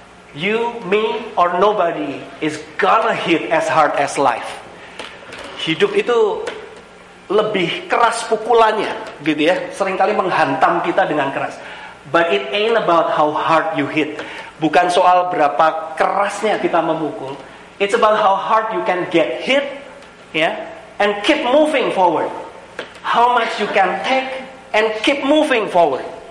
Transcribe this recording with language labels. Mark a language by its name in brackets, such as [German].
[English] You, me, or nobody is gonna hit as hard as life. [Indonesian] Hidup itu lebih keras pukulannya gitu ya, seringkali menghantam kita dengan keras. [English] But it ain't about how hard you hit. [Indonesian] Bukan soal berapa kerasnya kita memukul. [English] It's about how hard you can get hit, yeah, and keep moving forward. How much you can take and keep moving forward.